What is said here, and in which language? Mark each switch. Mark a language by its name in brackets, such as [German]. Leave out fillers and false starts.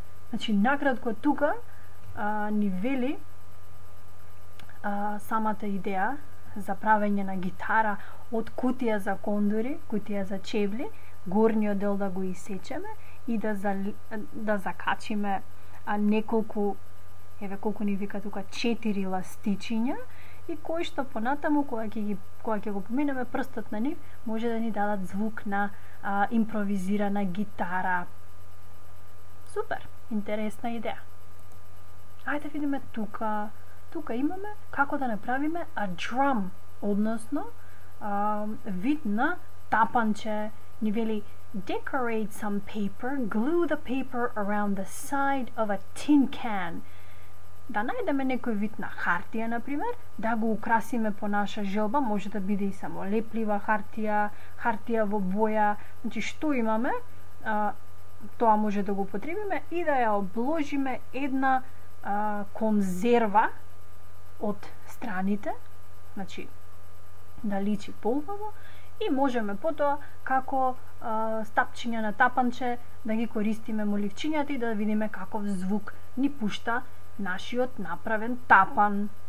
[Macedonian] Значи, накратко тука ни вели самата идеја за правење на гитара од кутија за кондури, кутија за чевли, горниот дел да го исечеме и да закачиме неколку, еве колку ни вика тука, 4 ластичиња, и кои што понатаму кога ќе го поминеме прстот на нив, може да ни дадат звук на импровизирана гитара. Супер, интересна идеја. Ајде да видиме тука. Тука имаме како да направиме a drum, односно вид на тапанче. Ни вели [English] decorate some paper, glue the paper around the side of a tin can. [Macedonian] Да најдеме некој вид на хартија, например, да го украсиме по наша желба, може да биде и само леплива хартија, хартија во боја. Значи, што имаме, тоа може да го употребиме и да ја обложиме една конзерва од страните, значи да личи полбаво, и можеме потоа како стапчиња на тапанче да ги користиме моливчињата и да видиме каков звук ни пушта нашиот направен тапан.